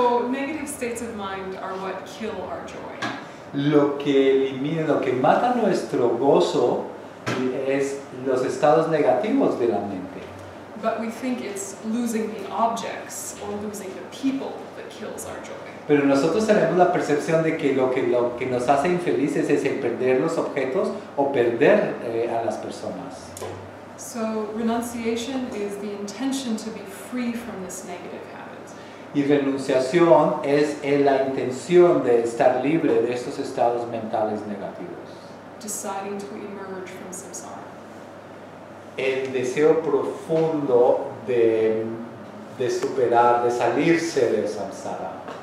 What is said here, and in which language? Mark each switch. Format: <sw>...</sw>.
<en>Negative states of mind are what kill our joy.</en> <es>Lo que elimina, lo que mata nuestro gozo es los estados negativos de la mente.</es> <en>But we think it's losing the objects or losing the people that kills our joy.</en> <es>Pero nosotros tenemos la percepción de que lo que nos hace infelices es el perder los objetos o perder a las personas.</es> <en>So renunciation is the intention to be free from this negative habit.</en> <es>Y renunciación es la intención de estar libre de estos estados mentales negativos.</es> <en>Deciding to emerge from samsara.</en> <es>El deseo profundo de superar, de salirse del samsara.</es>